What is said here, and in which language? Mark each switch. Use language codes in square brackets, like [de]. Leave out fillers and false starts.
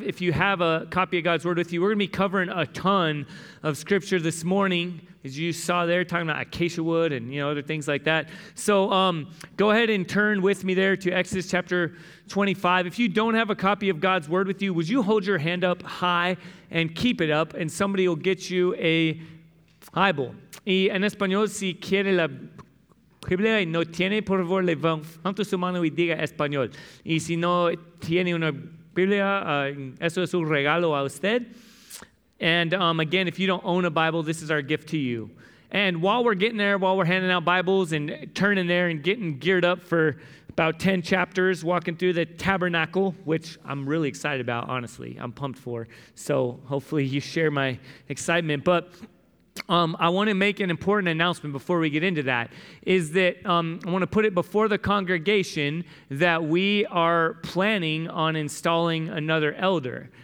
[en] If you have a copy of God's Word with you, we're going to be covering a ton of Scripture this morning, as you saw there, talking about acacia wood and, you know, other things like that. So go ahead and turn with me there to Exodus chapter 25. If you don't have a copy of God's Word with you, would you hold your hand up high and keep it up, and somebody will get you a Bible. [es] Y en español, si quiere la Biblia y no tiene, por favor, levante su mano y diga español. Y si no tiene una Biblia, eso es un regalo a usted. [en] And again, if you don't own a Bible, this is our gift to you. And while we're getting there, while we're handing out Bibles and turning there and getting geared up for about 10 chapters, walking through the tabernacle, which I'm really excited about, honestly. I'm pumped for. So hopefully you share my excitement. But I want to make an important announcement before we get into that, is that I want to put it before the congregation that we are planning on installing another elder.